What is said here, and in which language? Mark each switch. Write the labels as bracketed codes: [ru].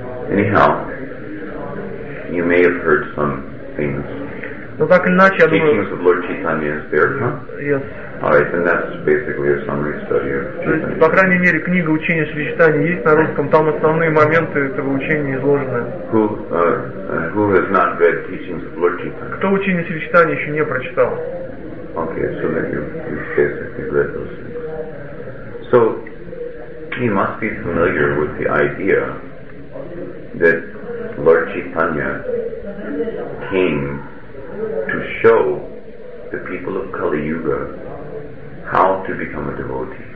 [en] Anyhow, you may have heard some famous teachings of Lord Chaitanya is there, huh? Yes. All right, then that's basically a summary study of Chaitanya. [ru] По крайней мере, книга учения Шри Чайтаньи есть на русском, там основные моменты этого учения изложены. [en] Who has not read teachings of Lord Chaitanya? [ru] Кто учение Шри Чайтаньи еще не прочитал? [en] Okay, so then you basically read those things. So, you must be familiar with the idea that Lord Chaitanya came to show the people of Kali Yuga how to become a devotee.